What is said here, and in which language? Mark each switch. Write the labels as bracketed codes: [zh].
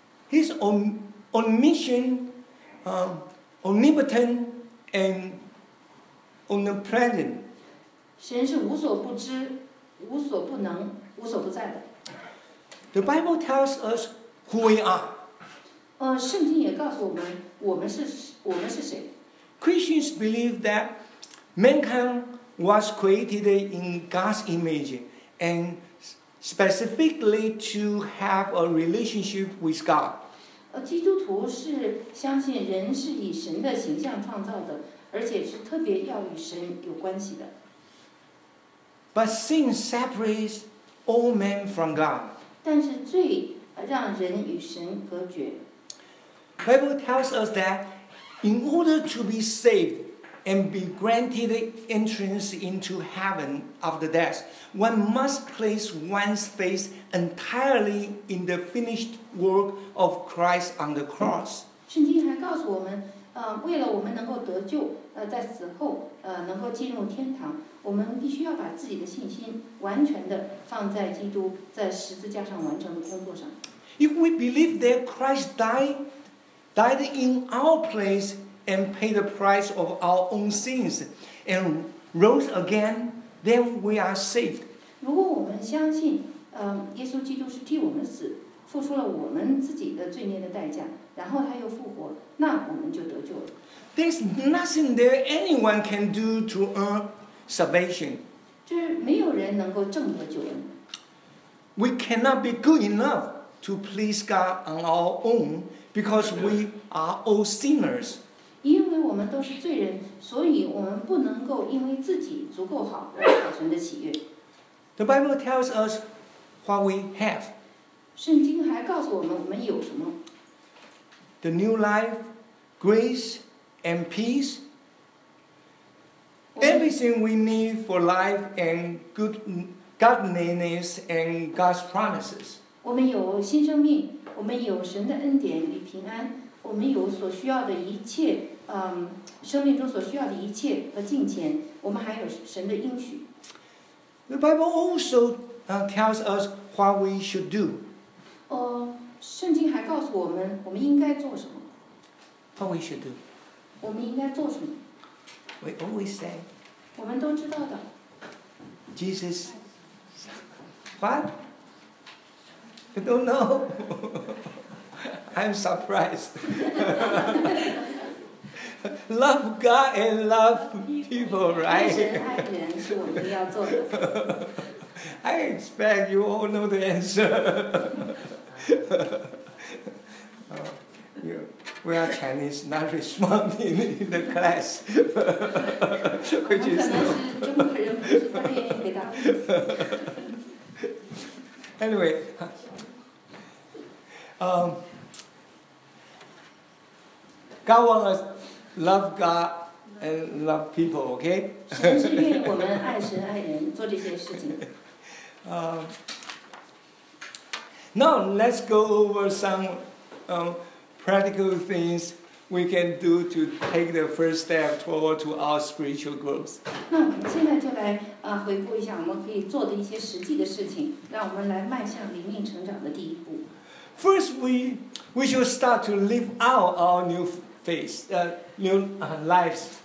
[en] He's omniscient, omnipotent. And omnipresent. [zh] 神是无所不知、无所不能、无所不在的。 [en] The Bible tells us who we are. [zh] 圣经也告诉我们，我们是谁。 [en] Christians believe that mankind was created in God's image, and specifically to have a relationship with God. [zh] 基督徒是相信人是以神的形象创造的。而且是特别要与神有关系的。 [en] But sin separates all men from God. [zh] 但是罪让人与神隔绝。 [en] Bible tells us that in order to be saved and be granted entrance into heaven after death, one must place one's faith entirely in the finished work of Christ on the cross. [zh] 圣经还告诉我们。为了我们能够得救，在死后，能够进入天堂，我们必须要把自己的信心完全的放在基督在十字架上完成的工作上。 [en] If we believe that Christ died in our place and paid the price of our own sins and rose again, then we are saved. [zh] 如果我们相信，耶稣基督是替我们死，付出了我们自己的罪孽的代价。然后他又复活，那我们就得救了。 [en] There's nothing there anyone can do to earn salvation. [zh] 就是没有人能够挣得救恩。 [en] We cannot be good enough to please God on our own because we are all sinners. [zh] 因为我们都是罪人，所以我们不能够因为自己足够好而讨神的喜悦。 [en] The Bible tells us what we have. [zh] 圣经还告诉我们我们有什么。 [en] The new life, grace, and peace. Everything we need for life and good godliness and God's promises. [zh] 我们有新生命，我们有神的恩典与平安，我们有所需要的一切，生命中所需要的一切和金钱，我们还有神的应许。 [en] The Bible also tells us what we should do. [zh] 圣经还告诉我们，我们应该做什么。 [en] What we should do. [zh] 我们应该做什么。 [en] We always say. [zh] 我们都知道的。 [en] Jesus. What? I don't know. I'm surprised. Love God and love people, right? [zh] 爱神爱人是我们要做的。 [en] I expect you all know the answer. we are Chinese, not responding in the class. [zh] 我们可能是中国人，不是太愿意回答。 [en] Anyway, God wants us to love God and love people, okay? [zh] 神是愿意我们爱神爱人，做这些事情。 [en] Now let's go over some practical things we can do to take the first step toward to our spiritual growth. [zh] 那我们现在就来回顾一下我们可以做的一些实际的事情，让我们来迈向灵命成长的第一步。 [en] First, we should start to live out our new faith, lives.